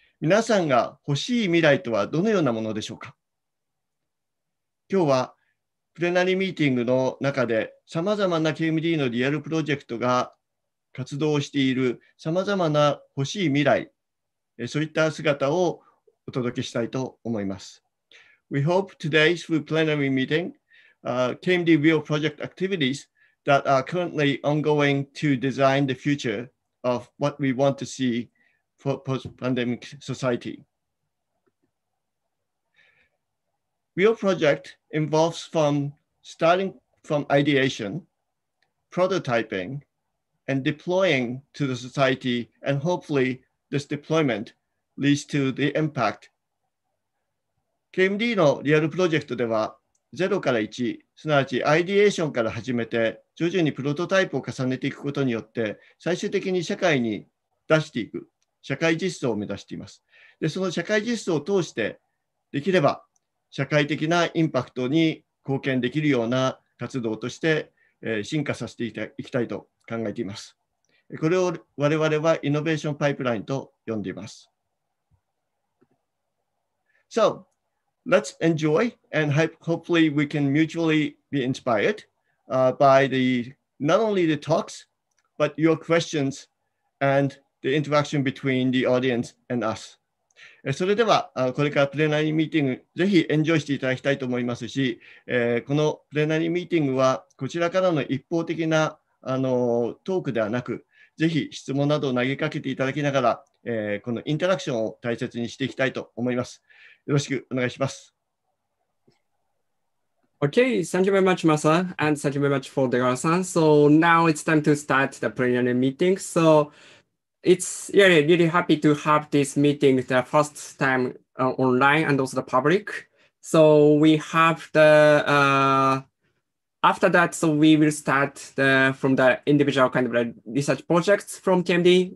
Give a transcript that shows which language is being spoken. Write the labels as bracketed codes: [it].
[ja] 皆さんが欲しい未来とはどのようなものでしょうか？今日はプレナリーミーティングの中で、さまざまな KMD のリアルプロジェクトが活動しているさまざまな欲しい未来、そういった姿をお届けしたいと思います。 [en] We hope today through plenary meeting, KMD real project activities that are currently ongoing to design the future of what we want to see for post-pandemic society. Real project involves from starting from ideation, prototyping, and deploying to the society, and hopefully this deployment leads to the impact. [ja] KMD のリアルプロジェクトでは、0から1、すなわちアイディエーションから始めて、徐々にプロトタイプを重ねていくことによって、最終的に社会に出していく、社会実装を目指しています。で、その社会実装を通して、できれば、社会的なインパクトに貢献できるような活動として進化させていきたいと考えています。これを我々はイノベーションパイプラインと呼んでいます。 So, let's enjoy and hopefully we can mutually be inspired by the not only the talks, but your questions and the interaction between the audience and us. それではこれからプレナリーミーティングぜひエンジョイしていただきたいと思いますし、このプレナリーミーティングはこちらからの一方的なトークではなく、ぜひ質問などを投げかけていただきながら、このインタラクションを大切にしていきたいと思います。よろしくお願いします。 [en] Okay, thank you very much Masa and thank you very much for Degawa-san. So now it's time to start the plenary meeting. So It's really, really happy to have this meeting the first time online and also the public. So we have the, after that, so we will start the, from the individual kind of research projects from KMD.